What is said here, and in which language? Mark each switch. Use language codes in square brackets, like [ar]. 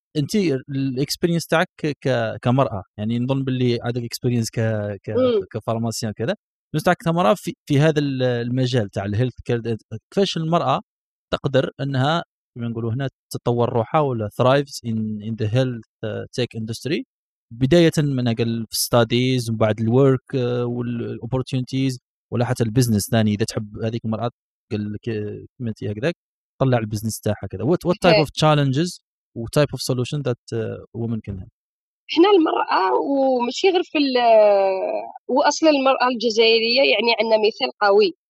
[ar] أنت الإكسبرينس تاعك كمرأة يعني نظن باللي عندك إكسبرينس كفارماسيان كذا نظن تاعك كمرأة في هذا المجال تاع الهيلث كير كيفاش المرأة تقدر أنها كما نقولوا هنا تطور روحها ولا [en] thrives in the health tech industry [ar] بداية من أقل في studies وبعد الwork والopportunities ولا حتى البزنس ثاني إذا تحب هذيك المرأة قال لك كما تيها كذاك طلع البزنس تاعها كذا. [en] What type of challenges و type of solution that women can have. [ar] إحنا المرأة ومشي غير في وأصل المرأة الجزائرية يعني عندنا مثال قوي.